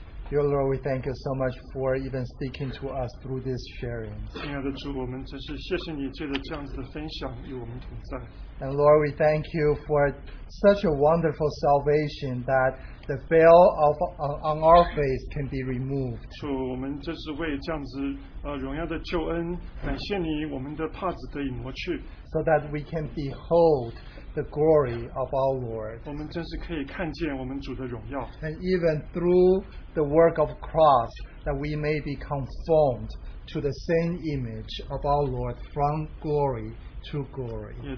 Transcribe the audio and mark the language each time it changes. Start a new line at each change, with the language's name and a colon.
English: Thank you so much for even speaking to us through this sharing.
Chinese: 亲爱的主，我们真是谢谢你借着这样子的分享与我们同在。
English: And Lord, we thank you for such a wonderful salvation that the veil of on our face can be removed.
Chinese: 主，我们真是为这样子荣耀的救恩感谢你，我们的帕子得以挪去。
English: So that we can behold the glory of our Lord.
Chinese: 我们真是可以看见我们主的荣�ao。
English: And even through the work of cross, that we may be conformed to the same image of our Lord from glory to glory.